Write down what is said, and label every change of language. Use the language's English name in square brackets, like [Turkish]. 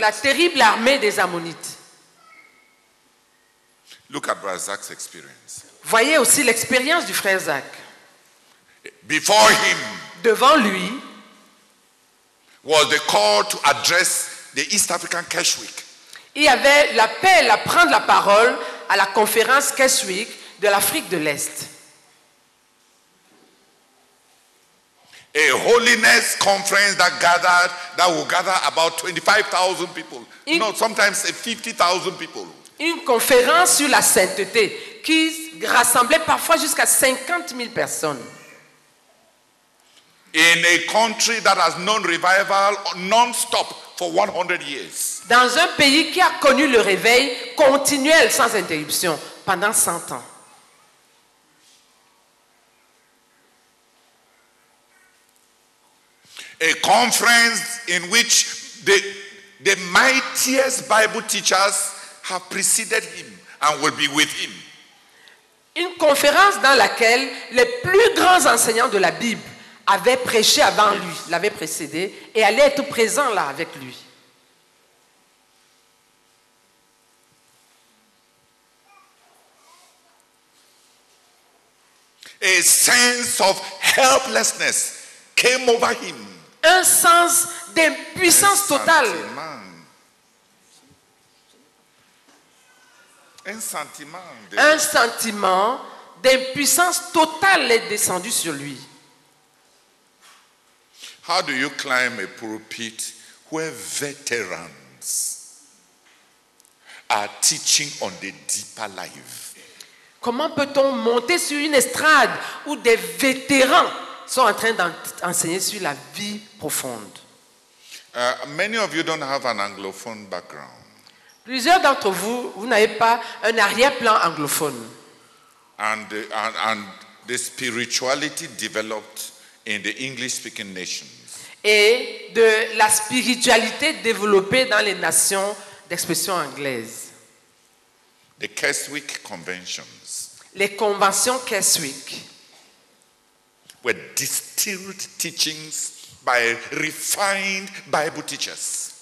[French] La terrible armée des Ammonites. [English] Look at Brother Zach's experience. [French] Voyez aussi l'expérience du frère Zach. [English] Before him. [French] Devant lui [English] was the call to address the East African Keswick. [French] Il y avait l'appel à prendre la parole à la conférence Keswick de l'Afrique de l'Est. [English] A holiness conference that will gather about 25,000 people. No, sometimes 50,000 people. [French] Une conférence sur la sainteté qui rassemblait parfois jusqu'à 50 000 personnes. [English] In a country that has known revival non-stop for 100 years. [French] Dans un pays qui a connu le réveil continuel sans interruption pendant 100 ans. [English] A conference in which the mightiest Bible teachers have preceded him and will be with him. [French] Une conférence dans laquelle les plus grands enseignants de la Bible avait prêché avant lui, l'avait précédé, et allait être présent là avec lui. [English] A sense of helplessness came over him. [French] Un sens d'impuissance totale. Un sentiment d'impuissance totale est descendu sur lui. [English] How do you climb a pulpit where veterans are teaching on the deeper life? [French] Comment peut-on monter sur une estrade où des vétérans sont en train d'enseigner sur la vie profonde? [English] Many of you don't have an anglophone background. [French] Plusieurs d'entre vous, vous n'avez pas un arrière-plan anglophone. [English] And the spirituality developed in the English-speaking nations. [French] Et de la spiritualité développée dans les nations d'expression anglaise. [English] The Keswick conventions. [French] Les conventions Keswick. [English] Were distilled teachings by refined Bible teachers.